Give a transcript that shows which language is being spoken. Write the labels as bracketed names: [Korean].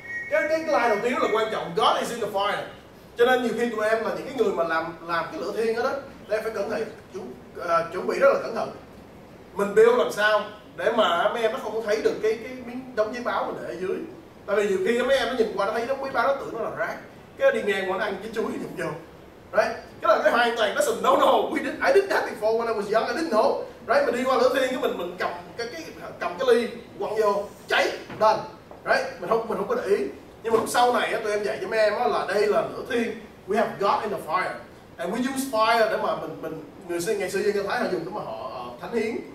[Vietnamese] Cái line đầu tiên rất là quan trọng, [English] God is in the fire. [Vietnamese] Cho nên nhiều khi tụi em là những cái người mà làm cái lửa thiên đó, tụi em phải cẩn thận, chuẩn bị rất là cẩn thận. Mình build làm sao để mà mấy em nó không có thấy được cái miếng đóng giấy báo mình để ở dưới. Tại vì nhiều khi mấy em nó nhìn qua nó thấy đóng giấy báo nó tưởng nó là rác. Cái đi ngang qua nó ăn chín chuối nhìn vô. [English] Right? [Vietnamese] Cái là cái hoàn toàn nó [English] said no, I did that before when I was young, I didn't know. [Vietnamese] Right? Mình đi qua lửa thiên cái mình cầm cái ly quăng vô, cháy, done. Right? Mình không có để ý. Nhưng mà lúc sau này tụi em dạy cho mấy em là đây là lửa thiên. [English] We have God in the fire. And we use fire [Vietnamese] để mà mình người xưa, ngày xưa dân Thái họ dùng để mà họ thánh hiến.